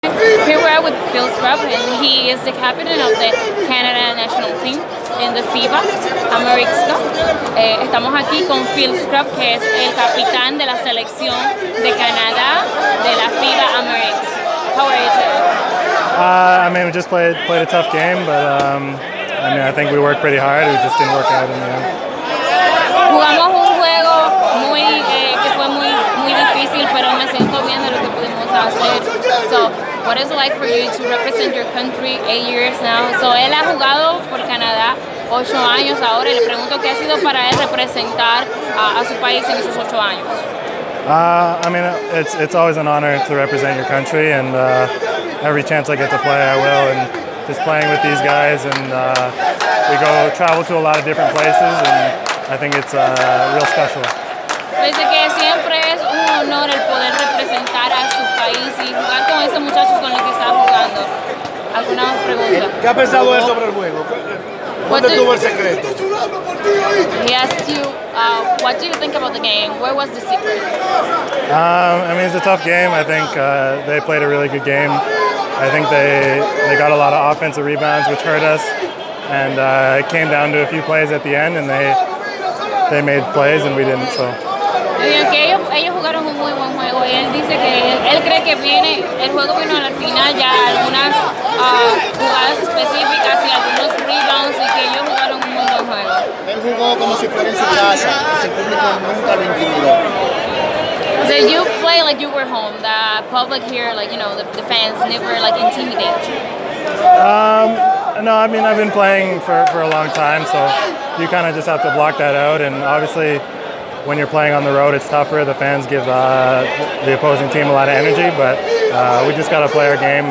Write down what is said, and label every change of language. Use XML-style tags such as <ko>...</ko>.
<en>Here we are with Phil Scrubb, and he is the captain of the Canada national team in the FIBA America's Cup.</en> <es>Estamos aquí con Phil Scrubb, que es el capitán de la selección de Canadá de la FIBA America's.</es> <en>How are you today? We just played a tough game, but I think we worked pretty hard. It just didn't work out in the end.</en> <es>Jugamos un juego muy que fue muy muy difícil, pero me siento bien de lo que pudimos hacer.</es> <en>So, what is it like for you to represent your country 8 years now?</en> <es>So, él ha jugado por Canadá 8 años ahora. Le pregunto qué ha sido para él representar a su país en esos 8 años.</es> <en>It's always an honor to represent your country, and every chance I get to play, I will. And just playing with these guys, and we go travel to a lot of different places, and I think it's real special.</en> <es>Desde que siempre es un honor el poder representar a su país y jugar con esos muchachos con los que está jugando. ¿Alguna pregunta? ¿Qué ha pensado él sobre el juego? ¿Dónde estuvo el secreto?</es> <en>He asked you, what do you think about the game? Where was the secret? It's a tough game. I think they played a really good game. I think they got a lot of offensive rebounds, which hurt us. And it came down to a few plays at the end, and they made plays, and we didn't. So.</en> <es>Ellos jugaron un muy buen juego. Y él dice que él cree que viene el juego vino al final ya algunas jugadas específicas y algunos rebounds y que ellos jugaron un muy buen juego. Él jugó como si fuera en su casa. Su público nunca lo intimidó.</es> <en>Did you play like you were home? The public here, like, you know, the fans never like intimidated you? I've been playing for a long time, so you kind of just have to block that out. And obviously, when you're playing on the road, it's tougher. The fans give the opposing team a lot of energy, but we just got to play our game.</en>